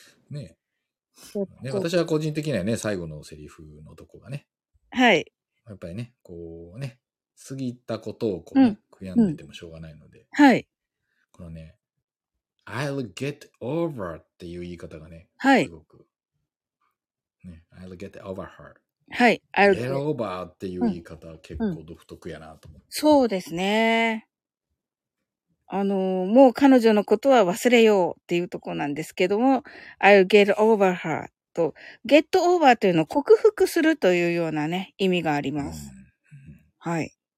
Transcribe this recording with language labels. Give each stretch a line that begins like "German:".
Japanese: ねね、私は個人的にはね、最後のセリフのとこがね、はい、やっぱりね、こうね、過ぎたことをこう、ね、うん、悔やんでてもしょうがないので、うん、はい、このね、
English: I'll get over
Japanese: っていう言い方がね、はい、すごく、ね、
English: I'll get over her、
Japanese: はい、
English: I'll get over
Japanese: っていう言い方は結構独特やなと思って、うんうん、そうですね。もう彼女のことは忘れようっていうところなんですけども、
English: I'll get over her
Japanese: と、get over というのを克服するというようなね、意味があります。はい。